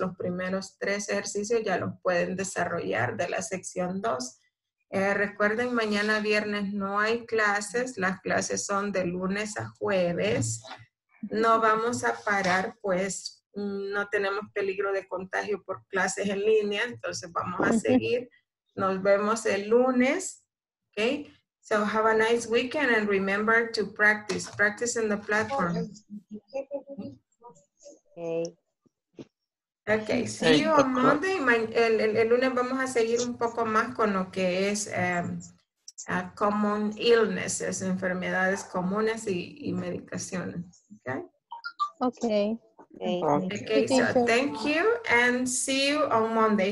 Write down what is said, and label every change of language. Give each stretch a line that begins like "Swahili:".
Spanish: Los primeros 3 ejercicios ya los pueden desarrollar de la sección 2. Recuerden, mañana viernes no hay clases, las clases son de lunes a jueves. No vamos a parar, pues no tenemos peligro de contagio por clases en línea, entonces vamos a seguir. Nos vemos el lunes.
English: Okay, so have a nice weekend and remember to practice. Practice in the platform. Okay, see you on Monday.
Spanish: El lunes vamos a seguir un poco más con lo que es
English: common illnesses,
Spanish: enfermedades comunes y medicaciones.
English: Okay? Okay. Okay, so thank you and see you on Monday.